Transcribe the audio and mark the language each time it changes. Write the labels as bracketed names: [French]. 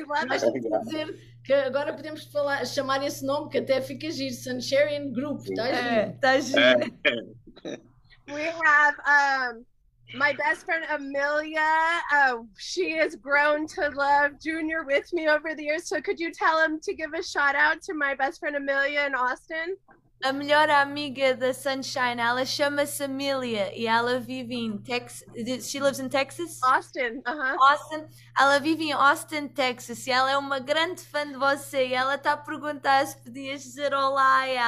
[Portuguese] Acho que dizer que agora podemos falar, chamar esse nome que até fica giro, Sunsharian Group, estás É, giro. tá giro. [English] We have my best friend Amelia. She has grown to love Junior with me over the years. So could you tell him to give a shout out to my best friend Amelia in Austin? [Portuguese] A melhor amiga da Sunshine, ela chama-se Amelia e ela vive em Texas. [English] She lives in Texas? Austin, Austin. [Portuguese] Ela vive em Austin, Texas. E ela é uma grande fã de você. E ela está a perguntar se podias dizer olá